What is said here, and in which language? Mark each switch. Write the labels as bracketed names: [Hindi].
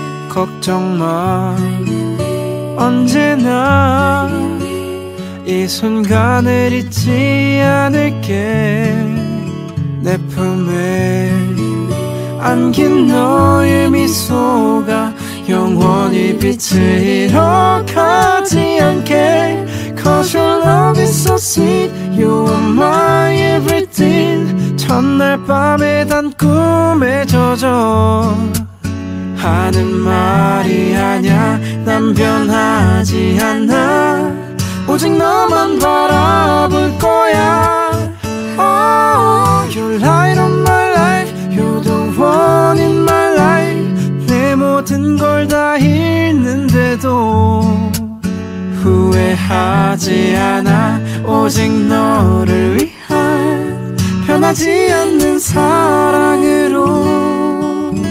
[Korean] 걱정 마, 언제나 이 순간을 잊지 않을게. 내 품에 안긴 너의 미소가 영원히 빛을 잃어가지 않게. [English] 'Cause your love is so sweet, you are my everything. [Korean] 첫날 밤에 단 꿈에 젖어 하는 말이 아냐. 난 변하지 않아, 오직 너만 바라볼 거야. [English] Oh, your light on my life, you're the one in my life. [Korean] 내 모든 걸 다 잃는데도 후회하지 않아. 오직 너를 위한 변하지 않는 사랑으로.